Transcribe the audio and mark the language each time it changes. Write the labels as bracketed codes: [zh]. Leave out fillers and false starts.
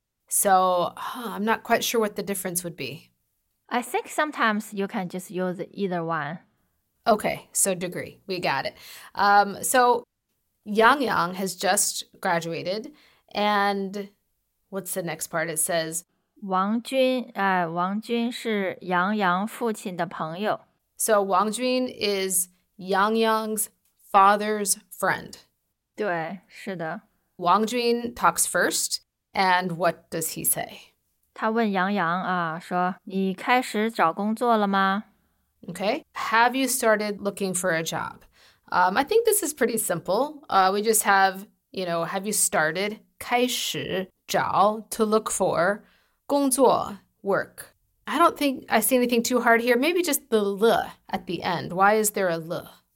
[en] So, I'm not quite sure what the difference would be. I think sometimes you can just use either one. Okay, so degree, we got it. So Yang Yang has just graduated, and what's the next part? It says, [zh] 王军, 王军是杨洋父亲的朋友。 [en] So Wang Jun is Yang Yang's father's friend. [zh] 对,是的。 [en] Wang Jun talks first, and what does he say? [zh] 他问杨洋,说,你开始找工作了吗? [en] Okay, have you started looking for a job? I think this is pretty simple. We just have, you know, have you started [zh] 开始找 [en] to look for 工作 work. I don't think I see anything too hard here. Maybe just the 了 at the end. Why is there a 了?